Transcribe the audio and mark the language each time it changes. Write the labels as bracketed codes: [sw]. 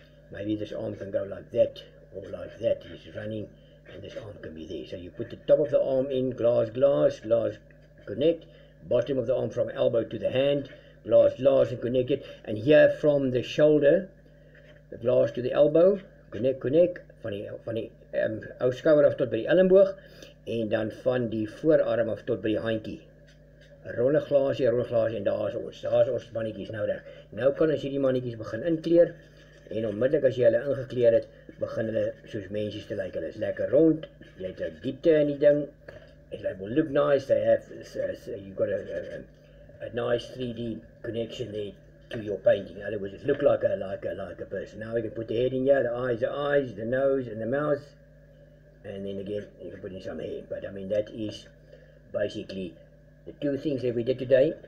[en] Maybe this arm can go like that, or like that, he's running, and this arm can be there. So you put the top of the arm in, glass, connect, bottom of the arm from elbow to the hand, glass and connect it, and here from the shoulder, the glass to the elbow, connect, [af] van die ou skouer af tot by die elmboog en dan van die voorarm af tot by die handjie. Rolle glasie en daar is ons mannetjies nou reg. Nou kan ons hierdie mannetjies begin inkleer en onmiddellik as jy hulle ingekleer het, begin hulle soos mensies te lyk. Hulle is lekker rond, jy het 'n diepte in die ding. [en] It will look nice. They have you've got a nice 3D connection there to your painting. In other words, it looks like a person. Now we can put the head in here, the eyes, the nose, and the mouth, and then again you can put in some hair. But I mean that is basically the two things that we did today.